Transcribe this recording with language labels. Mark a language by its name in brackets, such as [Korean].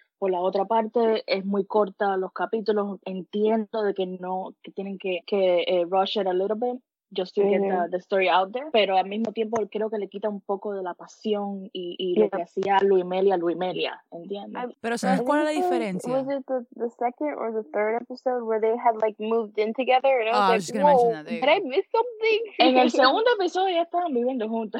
[Spanish] Por la otra parte, es muy corta los capítulos. Entiendo de que no, que tienen que [English] rush it a little bit. Just to get the story out there. [Spanish] Pero al mismo tiempo creo que le quita un poco de la pasión y lo que hacía Luis Melia, ¿entiendes? Pero ¿sabes cuál es la diferencia? [English] Was it the second or the third episode where they had like moved in together? And I was just going to mention that. Did I miss something? [Spanish] En el segundo episodio ya estaban viviendo juntos.